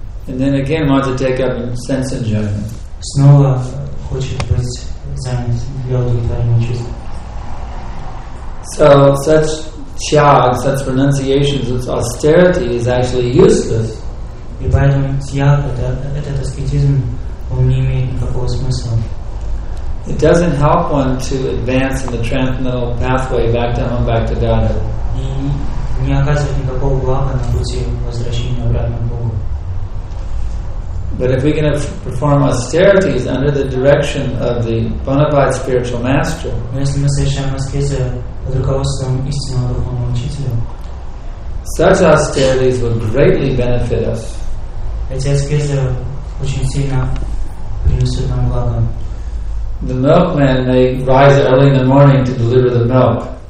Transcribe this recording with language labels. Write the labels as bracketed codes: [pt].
[en] And then again want to take up sense enjoyment. [ru] Снова хочет быть занят для удовлетворения чувств. [en] So such тяг, such renunciation, such austerity is actually useless. [ru] И поэтому тяг, этот аскетизм, он не имеет никакого смысла. [en] It doesn't help one to advance in the transcendental pathway back to home, back to God. [ru] И не оказывает никакого блага на пути возвращения обратно к Богу. [en] But if we can perform austerities under the direction of the bona fide spiritual master, [ru] но если мы совершаем аскезы под руководством истинного духовного учителя, [en] such austerities would greatly benefit us. [ru] Эти аскезы очень сильно принесут нам благо. [en] The milkman may rise early in the morning to deliver the milk.